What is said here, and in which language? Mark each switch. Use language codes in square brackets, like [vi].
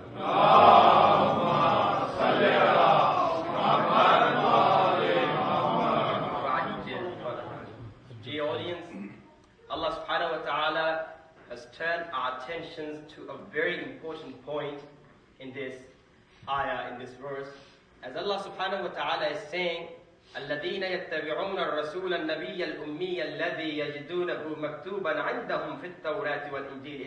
[ar] اللهم صل على محمد وآل محمد. وعجل فرجهم. [en] Dear audience, Allah subhanahu wa ta'ala has turned our attentions to a very important point in this ayah, in this verse. As Allah subhanahu wa ta'ala is saying, [ar] الذين يتبعون الرسول النبي الأمي الذي يجدونه مكتوبا عندهم في التوراة والإنجيل.